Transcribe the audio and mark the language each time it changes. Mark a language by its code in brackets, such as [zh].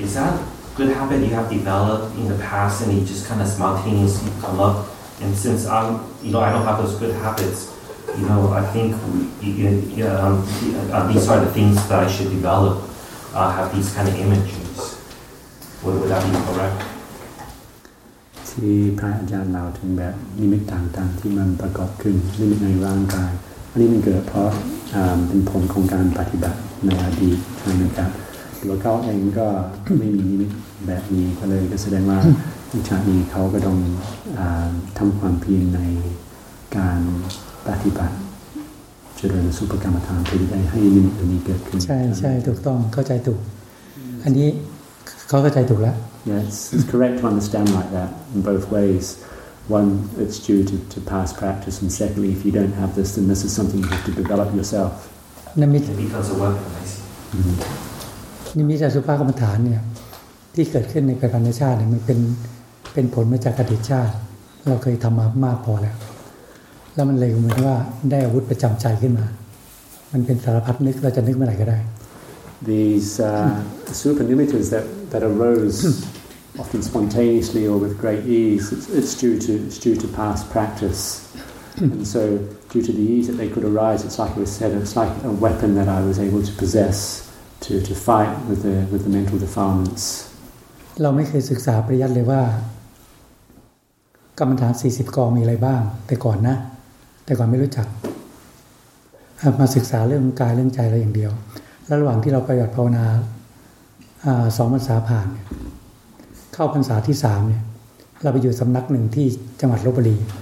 [en] Is that a good habit you have developed in the past, and you just kind of spontaneously come up? And since I don't have those good habits, you know, I think these are the things that I should develop, have these kind of imageries. Would that be correct? [th] ที่พระอาจารย์เราถึงแบบนิมิตต่างๆที่มันประกอบขึ้นนิมิตในร่างกายอันนี้มันเกิดเพราะเป็นผลของการปฏิบัติในอดีตนะครับตัวเขาเองก็ไม่มีนิมิตแบบนี้ก็เลยก็แสดงว่าในชาตินี้เขาก็ต้องทำความเพียรในการปฏิบัติเจริญสุปกรรมฐานเพื่อได้ให้นิมิตอันนี้เกิดขึ้น ใช่ใช่ถูกต้องเข้าใจถูกอันนี้เขาเข้าใจถูกแล้ว [en] Yes, it's correct to understand like that in both ways. One, it's due to past practice, and secondly, if you don't have this, then this is something you have to develop yourself. It becomes a weapon. [th] นิมิตสุภกรรมฐานเนี่ยที่เกิดขึ้นในปัจจุบันชาติเนี่ยมันเป็นผลมาจากอดีตชาติเราเคยทำมามากพอแล้วแล้วมันเลยเหมือนว่าได้อาวุธประจำใจขึ้นมามันเป็นสารพัดนึกเราจะนึกเมื่อไหร่ก็ได้ [en] These supernumitas that arose often spontaneously or with great ease, it's due to past practice. And so due to the ease that they could arise, it's like we said, it's like a weapon that I was able to possess to fight with the mental defilements. [th] เราไม่เคยศึกษาปริยัติเลยว่ากรรมฐาน40กองมีอะไรบ้างแต่ก่อนนะ แต่ก่อนไม่รู้จักมาศึกษาเรื่องกายเรื่องใจเราอย่างเดียวแล้วระหว่างที่เราปฏิบัติภาวนาสองพรรษาผ่านเข้าพรรษาที่3เนี่ยเราไปอยู่สำนักหนึ่งที่จังหวัดลพบุรี